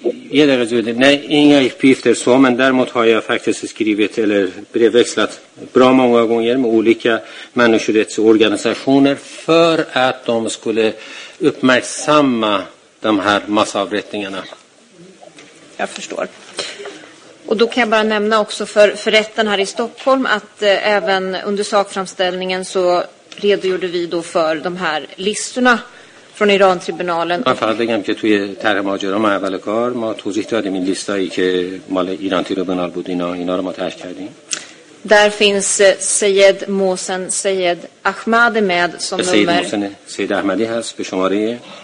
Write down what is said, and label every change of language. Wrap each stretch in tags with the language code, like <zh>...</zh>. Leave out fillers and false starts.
<sv>Jag sa, men däremot har jag faktiskt skrivit eller brevväxlat bra många gånger med olika människorättsorganisationer för att de skulle uppmärksamma de här massavrättningarna. Jag förstår. Och då kan jag bara nämna också för rätten här i Stockholm att även under sakframställningen så redogjorde vi då för de här listorna från Iran-tribunalen. Man får bägga att</sv> <fa>توی طرح ماجرا ما اول کار ما توضیح دادیم این لیستایی که مال ایران تریبونال بود اینا رو ما طرح کردیم.</fa> <sv>Där finns Seyed Mohsen Seyed Ahmadi med som nummer</sv> <fa>Seyed Mohsen Seyed Ahmadi هست به شماره</fa>